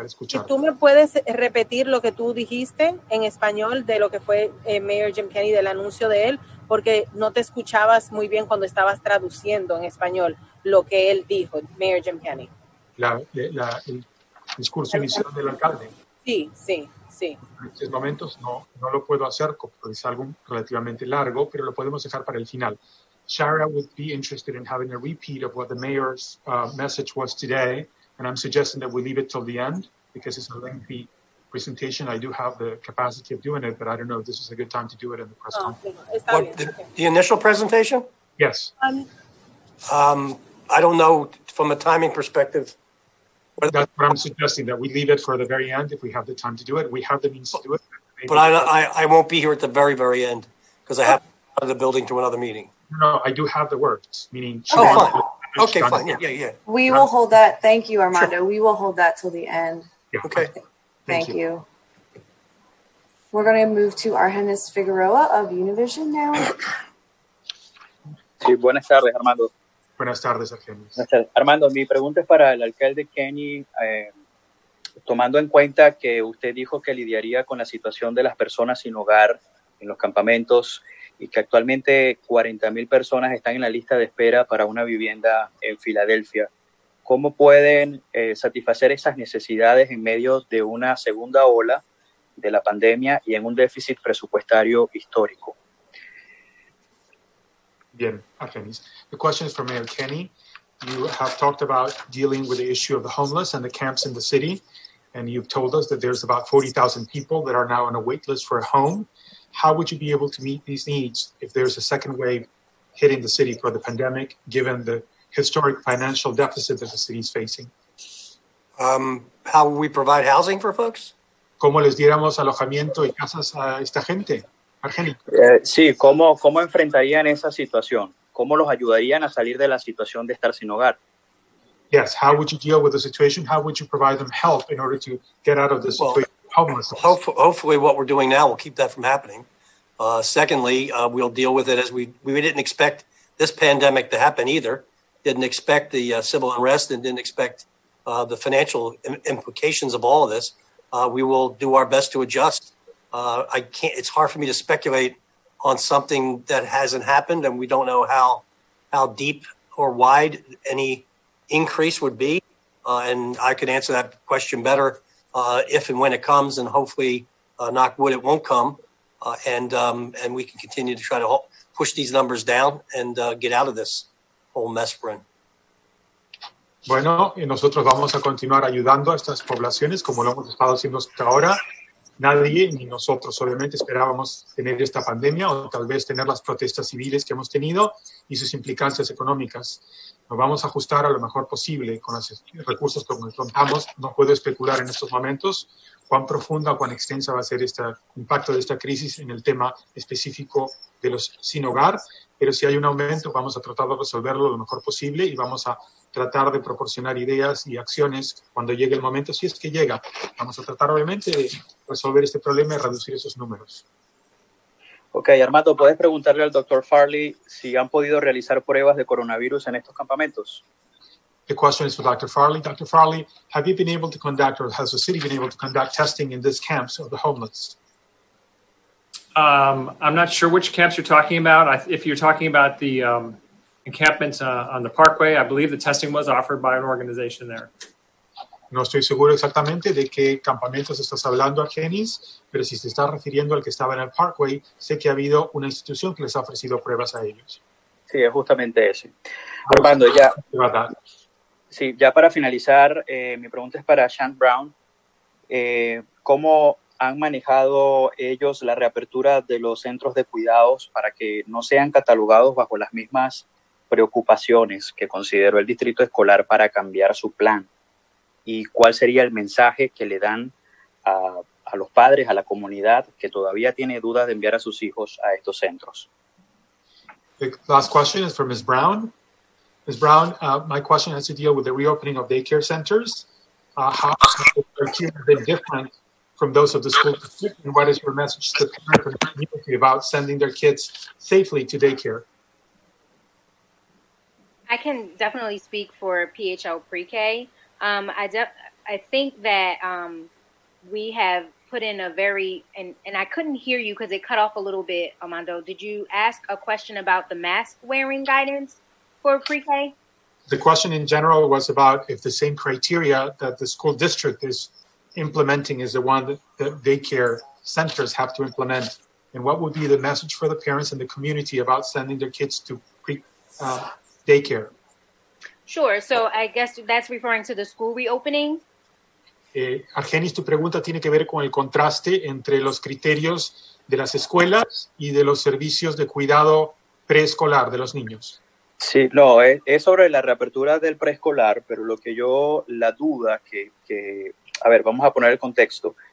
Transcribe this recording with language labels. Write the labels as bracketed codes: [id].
[es] Si tú me puedes repetir lo que tú dijiste en español de lo que fue Mayor Jim Kenney, del anuncio de él, porque no te escuchabas muy bien cuando estabas traduciendo en español lo que él dijo, Mayor Jim Kenney. El discurso inicial del alcalde. Sí, sí, sí. En estos momentos no lo puedo hacer, porque es algo relativamente largo, pero lo podemos dejar para el final. [en] Shara would be interested in having a repeat of what the mayor's message was today. And I'm suggesting that we leave it till the end because it's a lengthy presentation. I do have the capacity of doing it, but I don't know if this is a good time to do it in the press conference. The initial presentation? Yes. I don't know from a timing perspective. That's what I'm suggesting, that we leave it for the very end if we have the time to do it. We have the means to do it. But I won't be here at the very, very end because I have to go out of the building to another meeting. No, I do have the words, meaning... Okay, fine. Yeah. We will hold that. Thank you, Armando. Sure. We will hold that till the end. Yeah. Okay. Thank you. We're going to move to Arjenis Figueroa of Univision now. [es] Sí, buenas tardes, Armando. Buenas tardes, Arjenis. Armando, mi pregunta es para el alcalde Kenny. Tomando en cuenta que usted dijo que lidiaría con la situación de las personas sin hogar en los campamentos y que actualmente 40,000 personas están en la lista de espera para una vivienda en Filadelfia, ¿cómo pueden satisfacer esas necesidades en medio de una segunda ola de la pandemia y en un déficit presupuestario histórico? [en] Bien, Artemis. The question is for Mayor Kenny. You have talked about dealing with the issue of the homeless and the camps in the city, and you've told us that there's about 40,000 people that are now on a wait list for a home. How would you be able to meet these needs if there's a second wave hitting the city for the pandemic, given the historic financial deficit that the city is facing? How will we provide housing for folks? [es] ¿Cómo les diéramos alojamiento y casas a esta gente? Argeni. Sí, ¿cómo enfrentarían esa situación? ¿Cómo los ayudarían a salir de la situación de estar sin hogar? [en] Yes, how would you deal with the situation? How would you provide them help in order to get out of this homelessness? Hopefully what we're doing now will keep that from happening. Secondly, we'll deal with it as we didn't expect this pandemic to happen either. Didn't expect the civil unrest and didn't expect the financial implications of all of this. We will do our best to adjust. It's hard for me to speculate on something that hasn't happened, and we don't know how deep or wide any increase would be. And I could answer that question better if and when it comes, and hopefully, knock wood, it won't come. And we can continue to try to push these numbers down and get out of this whole mess we're in. [es] Bueno, y nosotros vamos a continuar ayudando a estas poblaciones como lo hemos estado haciendo hasta ahora. Nadie ni nosotros solamente esperábamos tener esta pandemia o tal vez tener las protestas civiles que hemos tenido y sus implicancias económicas. Nos vamos a ajustar a lo mejor posible con los recursos que contamos. No puedo especular en estos momentos cuán profunda o cuán extensa va a ser este impacto de esta crisis en el tema específico de los sin hogar, pero si hay un aumento vamos a tratar de resolverlo lo mejor posible y vamos a tratar de proporcionar ideas y acciones cuando llegue el momento, si es que llega. Vamos a tratar obviamente de resolver este problema y reducir esos números. Ok, Armando, ¿puedes preguntarle al Dr. Farley si han podido realizar pruebas de coronavirus en estos campamentos? [en] The question is for Dr. Farley. Dr. Farley, have you been able to conduct or has the city been able to conduct testing in these camps of the homeless? I'm not sure which camps you're talking about. If you're talking about the encampments on the parkway, I believe the testing was offered by an organization there. [es] No estoy seguro exactamente de qué campamentos estás hablando, Argenis, pero si se está refiriendo al que estaba en el parkway, sé que ha habido una institución que les ha ofrecido pruebas a ellos. Sí, es justamente ese. Armando, ya para finalizar, mi pregunta es para Sean Brown. ¿Cómo han manejado ellos la reapertura de los centros de cuidados para que no sean catalogados bajo las mismas preocupaciones que consideró el distrito escolar para cambiar su plan? ¿Y cuál sería el mensaje que le dan a los padres, a la comunidad, que todavía tiene dudas de enviar a sus hijos a estos centros? [en] The last question is for Ms. Brown. Ms. Brown, my question has to deal with the reopening of daycare centers. How has their care been different from those of the school district? And what is your message to the parents and community about sending their kids safely to daycare? I can definitely speak for PHLpreK. I think that we have put in a very, and I couldn't hear you because it cut off a little bit, Armando. Did you ask a question about the mask wearing guidance for pre-K? The question in general was about if the same criteria that the school district is implementing is the one that the daycare centers have to implement. And what would be the message for the parents and the community about sending their kids to daycare? Sure. So I guess that's referring to the school reopening. [es] Argenis, tu pregunta tiene que ver con el contraste entre los criterios de las escuelas y de los servicios de cuidado preescolar de los niños. Sí, no, es sobre la reapertura del preescolar, pero lo que yo, la duda que, a ver, vamos a poner el contexto.